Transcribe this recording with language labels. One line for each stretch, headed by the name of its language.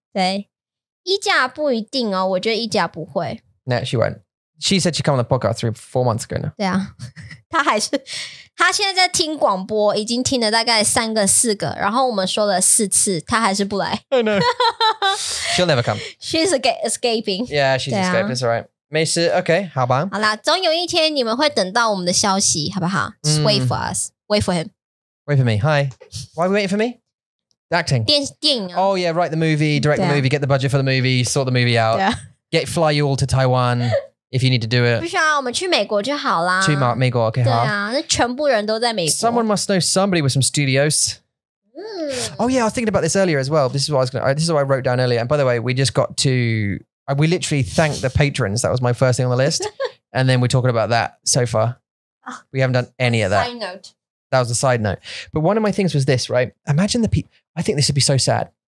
Chinese: 对，一家不一定哦，我觉得一家不会。
English: No, she won't. She said she'd come on the podcast 3-4 months ago now.
Chinese: 对啊，他还是他现在在听广播，已经听了大概三个四个，然后我们说了四次，他还是不来。
English: I know. She'll never come. She's escaping. Yeah, she's escaping. It's alright.
Chinese: 没事 okay, 好吧。好啦，总有一天你们会等到我们的消息，好不好？
English: Just wait for us. Wait for him. Wait for me. Hi. Why are we waiting for me? Acting.
Chinese: 电影、啊。
English: Oh yeah, write the movie, direct the movie, get the budget for the movie, sort the movie out,、 yeah. get fly you all to Taiwan. If you need to do it.
Chinese: 不需要我们去美国就好啦。去美国 OK 对啊那全部人都在美国。
English: Someone must know somebody with some studios. Oh yeah, I was thinking about this earlier as well. This is what I wrote down earlier. And by the way, we just got to, we literally thanked the patrons. That was my first thing on the list. And then we're talking about that so far. We haven't done any of that. Side note. That was a side note. But one of my things was this, right? Imagine the people, I think this would be so sad.